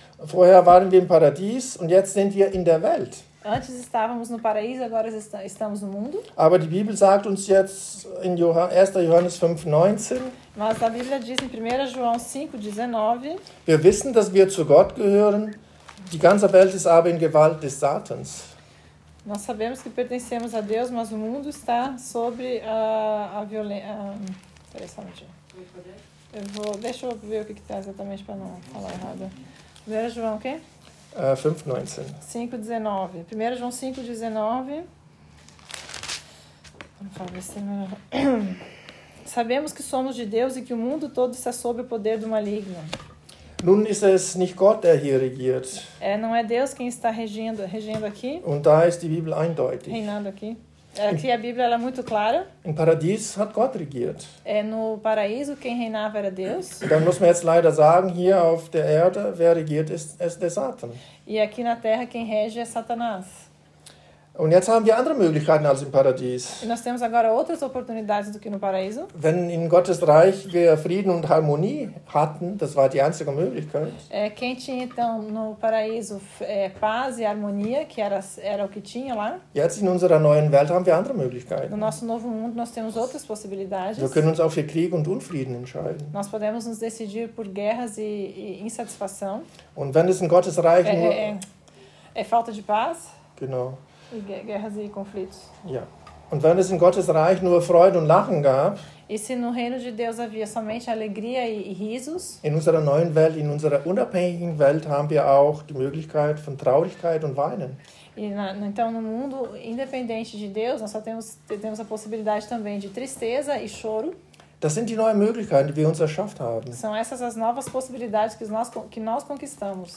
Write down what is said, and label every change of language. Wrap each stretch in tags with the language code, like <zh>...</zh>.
<de>Vorher waren wir im Paradies und jetzt sind wir in der Welt.</de> <pt>Antes estávamos no paraíso, agora estamos no mundo.</pt> <de>Aber die Bibel sagt uns jetzt in 1. Johannes 5,19.</de> <pt>Mas a Bíblia diz em 1 João 5,19.</pt> <de>Wir wissen, dass wir zu Gott gehören. Die ganze Welt ist aber in Gewalt des Satans.</de> <pt>Nós sabemos que pertencemos a Deus, mas o mundo está sobre a violência. Espera só um minutinho. Deixa eu ver o que está exatamente para não falar errado. 1 João o quê? 5,19. 1 João 5,19. Vamos falar desse número. Sabemos que somos de Deus e que o mundo todo está sob o poder do maligno.</pt> <de>Nun ist es nicht Gott, der hier regiert.</de> <pt>Não é Deus quem está regendo aqui.</pt> <de>Und da ist die Bibel eindeutig.</de> <pt>Reinando aqui. Aqui a Bíblia ela é muito clara.</pt> <de>Im Paradies hat Gott regiert.</de> <pt>No paraíso quem reinava era Deus.</pt> <de>Dann muss man jetzt leider sagen, hier auf der Erde, wer regiert, ist der Satan.</de> <pt>E aqui na Terra quem rege é Satanás.</pt> <de>Und jetzt haben wir andere Möglichkeiten als im Paradies.</de> <pt>Nós temos agora outras oportunidades do que no paraíso.</pt> <de>Wenn in Gottes Reich wir Frieden und Harmonie hatten, das war die einzige Möglichkeit.</de> <pt>Quem tinha então no paraíso paz e harmonia, que era o que tinha lá.</pt> <de>Jetzt in unserer neuen Welt haben wir andere Möglichkeiten.</de> <pt>No nosso novo mundo nós temos outras possibilidades.</pt> <de>Wir können uns auch für Krieg und Unfrieden entscheiden.</de> <pt>Nós podemos nos decidir por guerras e insatisfação.</pt> <de>Und wenn es in Gottes Reich nur...</de> <pt>Falta de paz.</pt> <de>Genau.</de> <pt>E guerras e conflitos.</pt> <en>Yeah.</en> <de>Und wenn es in Gottes Reich nur Freude und Lachen gab,</de> <pt>e se no reino de Deus havia somente alegria e risos,</pt> <de>in unserer neuen Welt, in unserer unabhängigen Welt, haben wir auch die Möglichkeit von Traurigkeit und Weinen.</de> <pt>E na, então no mundo independente de Deus, nós só temos a possibilidade também de tristeza e choro.</pt> <de>Das sind die neuen Möglichkeiten, die wir uns erschafft haben.</de> <pt>São essas as novas possibilidades que nós conquistamos.</pt>